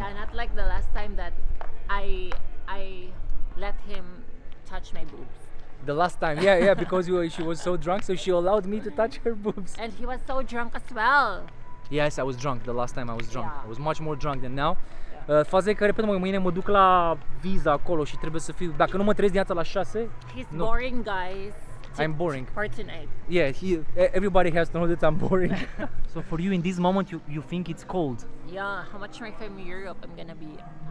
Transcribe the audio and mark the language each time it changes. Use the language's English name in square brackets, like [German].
[English] Yeah, not like the last time that I let him touch my boobs. The last time, yeah, because she was so drunk, so she allowed me to touch her boobs. And he was so drunk as well. Yes, I was drunk the last time I was drunk. Yeah. I was much more drunk than now. Yeah. [Romanian] Faza e că, repet, mâine mă duc la visa acolo și trebuie să fiu, dacă nu mă trezesc dimineața la 6. [English] He's boring, guys. I'm boring. For tonight. Yeah, everybody has to know that I'm boring. So for you, in this moment, you think it's cold? Yeah, how much time from Europe I'm gonna be?